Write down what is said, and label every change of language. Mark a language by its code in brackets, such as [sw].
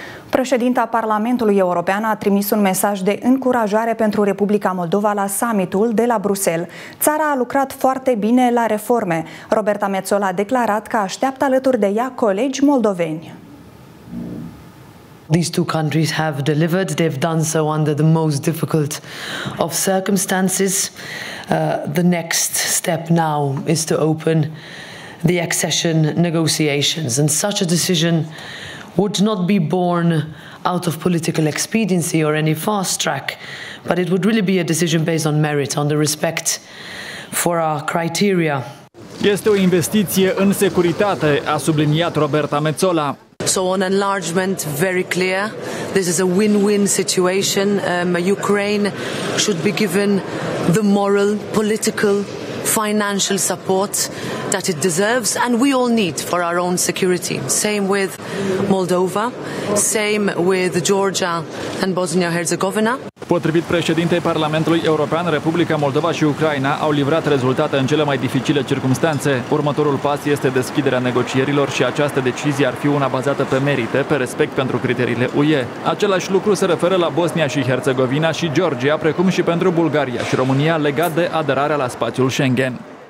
[ro] Președinta Parlamentului European a trimis un mesaj de încurajare pentru Republica Moldova la summitul de la Bruxelles. Țara a lucrat foarte bine la reforme. Roberta Metsola a declarat că așteaptă alături de ea colegi moldoveni. [en] These two countries have delivered. They've done so under the most difficult of circumstances. The next step now is to open the accession negotiations and such a decision would not be born out of political expediency or any fast track, but it would really be a decision based on merit, on the respect for our criteria. [ro] Este o investiție în securitate, a subliniat Roberta Metsola. [en] So on enlargement, very clear. This is a win-win situation. Ukraine should be given the moral, political, financial support that it deserves and we all need for our own security. Same with Moldova, same with Georgia and Bosnia-Herzegovina. [ro] Potrivit președintei Parlamentului European, Republica Moldova și Ucraina au livrat rezultate în cele mai dificile circumstanțe. Următorul pas este deschiderea negocierilor și această decizie ar fi una bazată pe merite, pe respect pentru criteriile UE. Același lucru se referă la Bosnia și Herzegovina și Georgia, precum și pentru Bulgaria și România, legat de aderarea la spațiul Schengen.